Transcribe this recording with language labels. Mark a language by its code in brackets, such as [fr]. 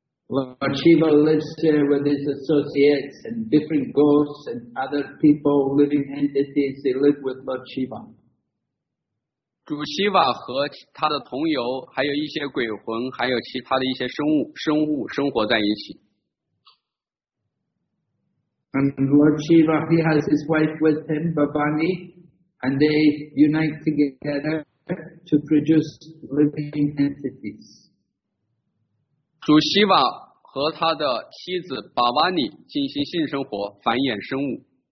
[en] Lord Shiva lives there with his associates and different ghosts and other people, living entities. They live with Lord Shiva. [zh] 主希瓦和他的同游，还有一些鬼魂，还有其他的一些生物生活在一起。 [en] And Lord Shiva, he has his wife with him, Bhavani, and they unite together to produce living entities. [zh] 主希瓦和他的妻子巴瓦尼进行性生活，繁衍生物。